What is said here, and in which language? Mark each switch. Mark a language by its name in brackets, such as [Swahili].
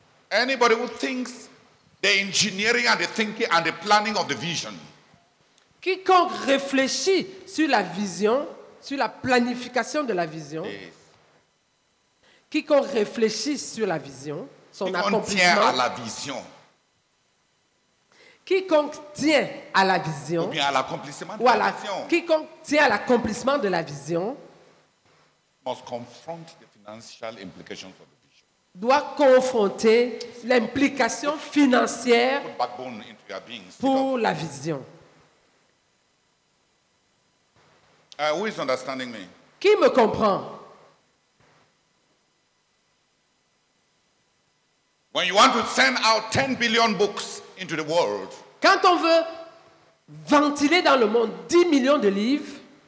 [English] Anybody who thinks the engineering and the thinking and the planning of the vision. [French] Quiconque réfléchit sur la vision, sur la planification de la vision. [English] Yes. [French] Quiconque réfléchit sur la vision, son quiconque accomplissement. Quiconque tient à la vision. Quiconque tient à la vision. Ou bien à l'accomplissement de la vision. Quiconque tient à l'accomplissement de la vision. [English] Must confront the financial implications of the vision. [French] Doit confronter l'implication financière pour la vision. [English] Who is understanding me? [French] Qui me comprend? [English] When you want to send out 10 billion books into the world. [French] Quand on veut ventiler dans le monde 10 millions de livres.